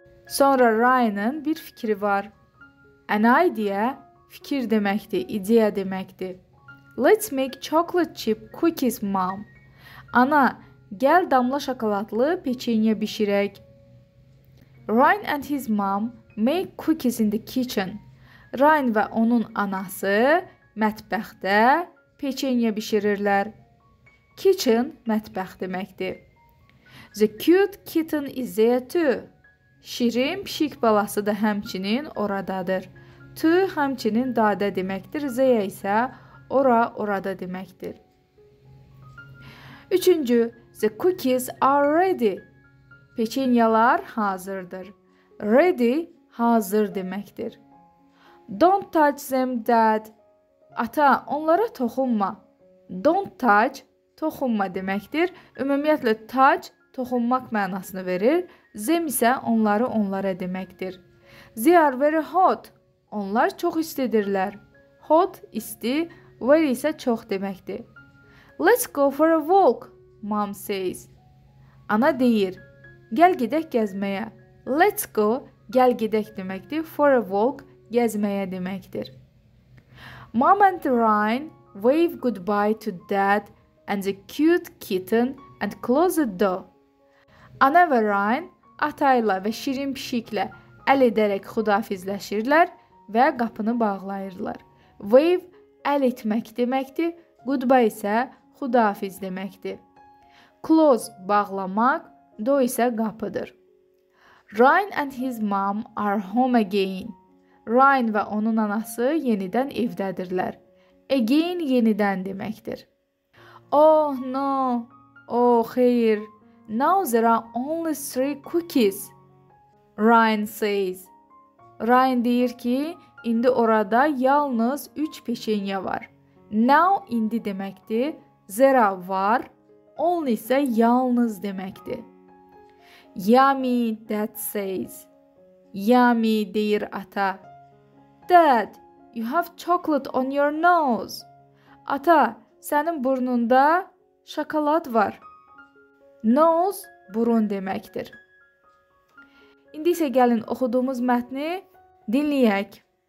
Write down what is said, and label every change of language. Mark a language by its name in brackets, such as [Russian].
[Azerbaijani] Sonra Ryan'ın bir fikri var. [English] An idea [Azerbaijani] fikir deməkdir, ideya deməkdir. [English] Let's make chocolate chip cookies, mom. [Azerbaijani] Ana, gəl damla şokoladlı peçenya bişirək. [English] Ryan and his mom make cookies in the kitchen. [Azerbaijani] Ryan və onun anası mətbəxtdə peçenya bişirirlər. Kitchen mətbəx deməkdir. [English] The cute kitten is there too. [Azerbaijani] Şirin pişik balası da həmçinin oradadır. To həmçinin dadə deməkdir. Zeyə isə ora, orada deməkdir. [English] Üçüncü, the cookies are ready. [Azerbaijani] Peçenyalar hazırdır. Ready, hazır deməkdir. [English] Don't touch them, dad. [Azerbaijani] Ata, onlara toxunma. [English] Don't touch, [Azerbaijani] toxunma deməkdir. Ümumiyyətlə, touch, toxunmaq mənasını verir. Them isə onları onlara deməkdir. [English] They are very hot. [Azerbaijani] Onlar çox istidirlər. Hot, isti, very isə çox deməkdir. [English] Let's go for a walk, mom says. [Azerbaijani] Ana deyir, gəl gedək gəzməyə. [English] Let's go, [Azerbaijani] gəl gedək deməkdir. [English] For a walk, [Azerbaijani] gəzməyə deməkdir. [English] Mom and Ryan wave goodbye to dad and the cute kitten and close the door. [Azerbaijani] Ana və Ryan atayla və şirin pişiklə əl edərək xudafizləşirlər. Və qapını bağlayırlar. Wave əl etmək deməkdir. Goodbye isə xudafiz deməkdir. Close bağlamaq, do isə qapıdır. [English] Ryan and his mom are home again. [Azerbaijani] Ryan və onun anası yenidən evdədirlər. Again yenidən deməkdir. [English] Oh no, oh xeyr. Now there are only three cookies, Ryan says. [Azerbaijani] Ryan deyir ki, İndi orada yalnız 3 peçenya var. Now indi deməkdir. Zera var. Only isə yalnız deməkdir. [English] Yummy, dad says. Yummy [Azerbaijani] deyir ata. [English] Dad, you have chocolate on your nose. [Azerbaijani] Ata, sənin burnunda şokolad var. Nose burun deməkdir. İndi isə gəlin oxuduğumuz mətni dinləyək.